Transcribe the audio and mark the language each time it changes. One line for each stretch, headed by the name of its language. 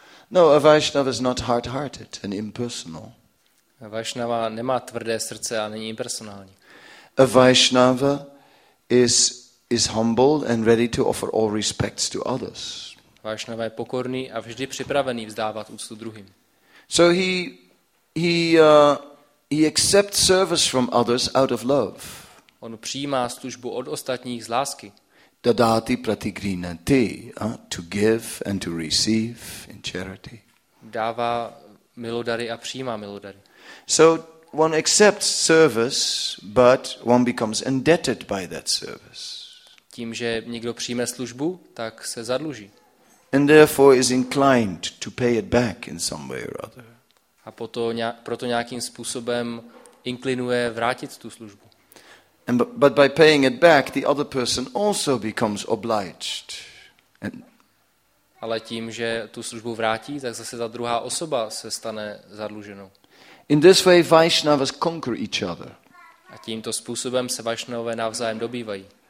English: No, a Vaishnava is not hard-hearted and impersonal.
Czech: A Vaishnava nemá tvrdé srdce a není impersonální.
English: A Vaishnava is humble and ready to offer all respects to others.
Czech: Vaishnava je pokorný a vždy připravený vzdávat úctu druhým.
English: So he accepts service from others out of love.
Czech: On přijímá službu od ostatních z lásky.
Sanskrit: Dadati pratigrinati,
English: to give and to receive in charity.
Czech: Dává milodary a přijímá milodary.
English: So one accepts service, but one becomes indebted by that service.
Czech: Tím, že někdo přijme službu, tak se zadluží.
English: And therefore is inclined to pay it back in some way or other.
Czech: A proto nějakým způsobem inklinuje vrátit tu službu.
English: But by paying it back, the other person also becomes obliged.
Czech: Ale tím, že tu službu vrátí, tak zase ta druhá osoba se stane zadluženou.
English: In this way, Vaishnavas conquer each other.
Czech: A tímto způsobem se Vaishnavové navzájem dobývají.